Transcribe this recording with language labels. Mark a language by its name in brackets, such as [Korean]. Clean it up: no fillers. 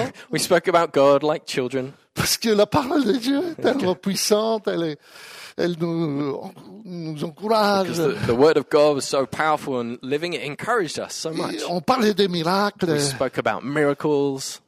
[English] We spoke about God like children. [French] Parce que la parole de Dieu est tellement puissante, elle nous encourage. [English] The word of God was so powerful and living, it encouraged us so much. [French] Et on parlait des miracles. [English] We spoke about miracles.